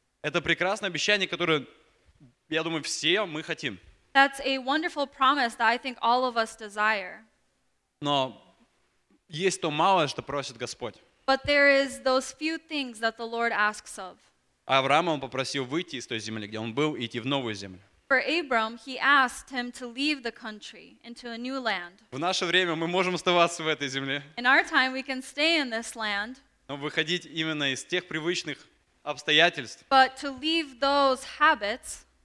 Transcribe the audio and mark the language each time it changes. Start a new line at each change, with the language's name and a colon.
Russian: Это прекрасное обещание, которое, я думаю, все мы хотим.
English: That's a wonderful promise that I think all of us desire.
Russian: Но есть то малое, что просит Господь.
English: But there is those few things that the Lord asks of.
Russian: Авраам он попросил выйти из той земли, где он был, и идти в новую землю.
English: For Abram, he asked him to leave the country into a new land.
Russian: В наше время мы можем оставаться в этой земле.
English: In our time, we can stay in this land.
Russian: Но выходить именно из тех привычных обстоятельств.
English: But to leave those habits.